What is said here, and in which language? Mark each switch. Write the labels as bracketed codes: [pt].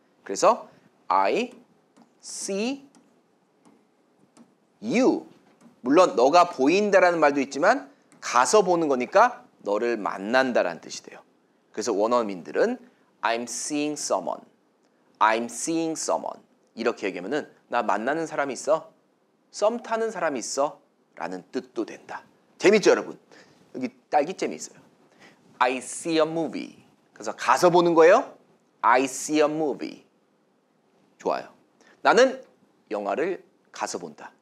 [en] 그래서 I see you. [ko] 물론 너가 보인다라는 말도 있지만 가서 보는 거니까 너를 만난다라는 뜻이 돼요. [en] 그래서 원어민들은 I'm seeing someone. I'm seeing someone. [ko] 이렇게 얘기하면은 나 만나는 사람이 있어. 썸 타는 사람이 있어. 라는 뜻도 된다. 재밌죠 여러분? 여기 딸기잼이 있어요. [en] I see a movie. [ko] 그래서 가서 보는 거예요. [en] I see a movie. [ko] 좋아요. 나는 영화를 가서 본다.